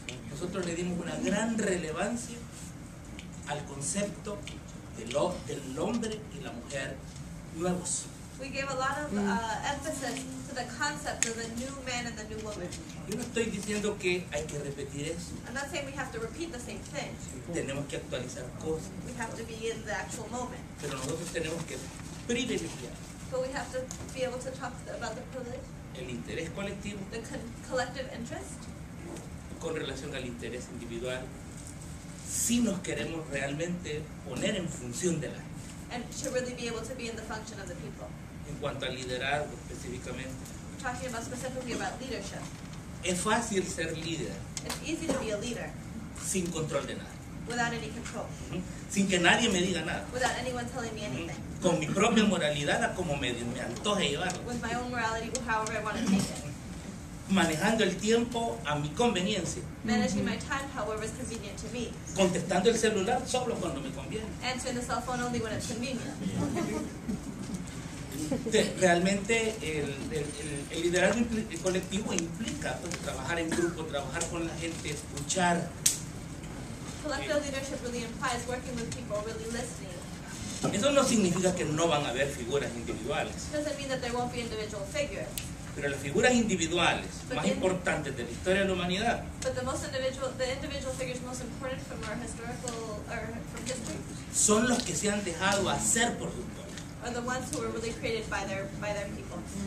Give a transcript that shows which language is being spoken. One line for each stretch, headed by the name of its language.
Spanish: Nosotros le dimos una gran relevancia al concepto del hombre y la mujer nuevos.
English: We gave a lot of emphasis to the concept of the new man and the new woman.
Spanish: Yo no estoy diciendo que hay que repetir eso.
English: I'm not saying we have to repeat the same thing.
Spanish: Tenemos que actualizar cosas.
English: We have to be in the actual moment.
Spanish: Pero nosotros tenemos que privilegiar.
English: But we have to be able to talk about the privilege.
Spanish: El interés colectivo.
English: The collective interest.
Spanish: Con relación al interés individual. Si nos queremos realmente poner en función de la gente.
English: And to really be able to be in the function of the people.
Spanish: En cuanto al liderazgo específicamente.
English: We're talking about specifically about leadership.
Spanish: Es fácil ser líder.
English: It's easy to be a leader.
Spanish: Sin control de nada.
English: Without any control. Mm-hmm.
Spanish: Sin que nadie me diga nada.
English: Without anyone telling me anything. Mm-hmm.
Spanish: Con mi propia moralidad a como me antoje llevarlo.
English: With my own morality, however I want to take it.
Spanish: Manejando el tiempo a mi conveniencia.
English: Managing my time however is convenient to me.
Spanish: Contestando el celular solo cuando me conviene.
English: Answering the cell phone only when it's convenient.
Spanish: Realmente el liderazgo el colectivo implica pues, trabajar en grupo, trabajar con la gente, escuchar.
English: Collective leadership really implies working with people, really listening.
Spanish: Eso no significa que no van a haber figuras individuales.
English: Doesn't mean that there won't be individual figures.
Spanish: Pero las figuras individuales más importantes de la historia de la humanidad.
English: But the individual figures most important from our historical or from history.
Spanish: Son los que se han dejado hacer por sus pueblos.
English: Are the ones who were really created by their people.